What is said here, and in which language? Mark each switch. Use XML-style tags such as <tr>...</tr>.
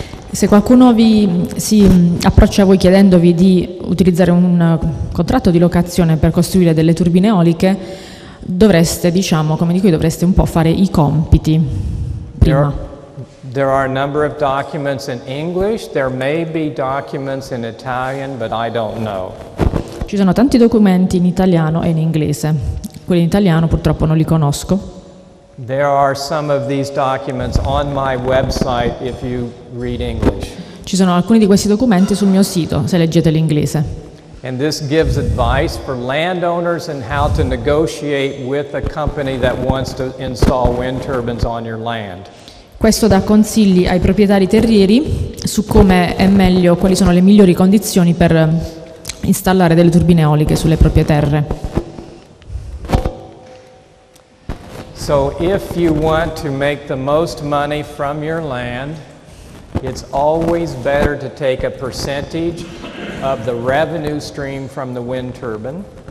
<it>Se qualcuno vi si approccia a voi chiedendovi di utilizzare un contratto di locazione per costruire delle turbine eoliche, dovreste, diciamo, come dico, dovreste un po' fare i compiti prima.</it> <en>There are a number of documents in English, there may be documents in Italian, but I don't know.</en> <it>Ci sono tanti documenti in italiano e in inglese. Quelli in italiano purtroppo non li conosco.</it> <en>There are some of these documents on my website if you read English.</en> <it>Ci sono alcuni di questi documenti sul mio sito, se leggete l'inglese.</it> <en>And this gives advice for landowners and how to negotiate with a company that wants to install wind turbines on your land.</en> <it>Questo dà consigli ai proprietari terrieri su come è meglio, quali sono le migliori condizioni per installare delle turbine eoliche sulle proprie terre.</it> <en>So if you want to make the most money from your land, it's always better to take a percentage of the revenue stream from the wind turbine.</en>